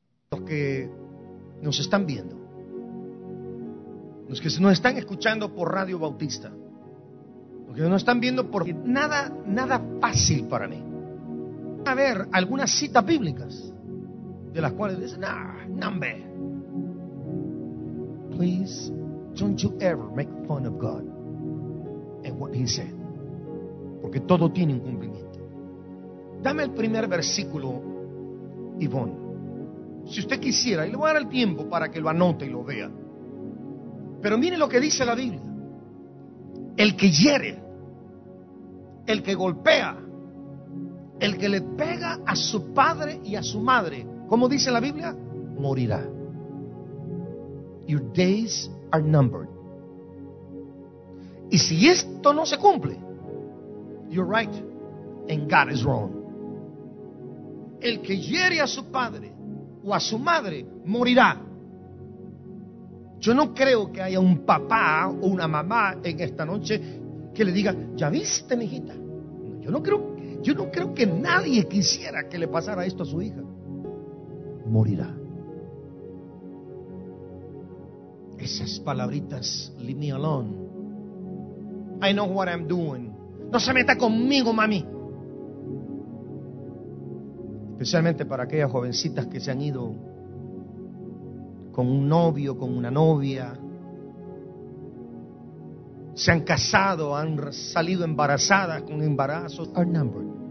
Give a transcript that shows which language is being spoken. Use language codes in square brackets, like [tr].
[es] Los que nos están viendo, los que nos están escuchando por Radio Bautista, los que nos están viendo porque nada fácil para mí. A ver, algunas citas bíblicas de las cuales dicen, nah, nambe. [en] Please, don't you ever make fun of God and what he said. [es] Porque todo tiene un cumplimiento. Dame el primer versículo, Ivón. Si usted quisiera, y le voy a dar el tiempo para que lo anote y lo vea. Pero mire lo que dice la Biblia. El que hiere, el que golpea, el que le pega a su padre y a su madre, ¿cómo dice la Biblia? Morirá. [en] Your days are numbered. [es] Y si esto no se cumple, [en] you're right, and God is wrong. [es] El que hiere a su padre o a su madre morirá. Yo no creo que haya un papá o una mamá en esta noche que le diga, ya viste, mijita. Yo no creo que nadie quisiera que le pasara esto a su hija. Morirá. Esas palabritas, [en] leave me alone. I know what I'm doing. [es] No se meta conmigo, mami. Especialmente para aquellas jovencitas que se han ido con un novio, con una novia. Se han casado, han salido embarazadas con embarazos. [en] Are numbered.